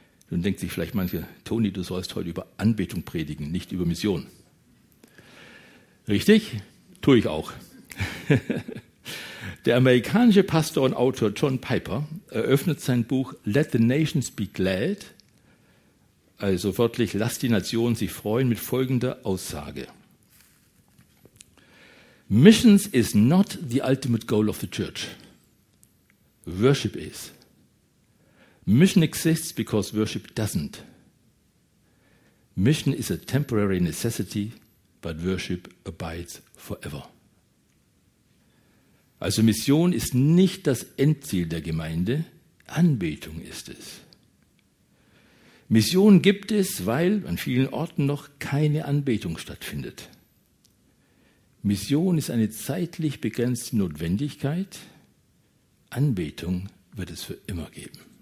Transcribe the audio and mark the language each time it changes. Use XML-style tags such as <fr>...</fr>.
<de>Nun denkt sich vielleicht manche, Toni, du sollst heute über Anbetung predigen, nicht über Mission. Richtig? Tue ich auch. Der amerikanische Pastor und Autor John Piper eröffnet sein Buch Let the Nations Be Glad, also wörtlich, lass die Nationen sich freuen, mit folgender Aussage.</de> <en>Missions is not the ultimate goal of the church. Worship is. Mission exists because worship doesn't. Mission is a temporary necessity, but worship abides forever.</en> <de>Also Mission ist nicht das Endziel der Gemeinde, Anbetung ist es. Mission gibt es, weil an vielen Orten noch keine Anbetung stattfindet. Mission ist eine zeitlich begrenzte Notwendigkeit, Anbetung wird es für immer geben.</de>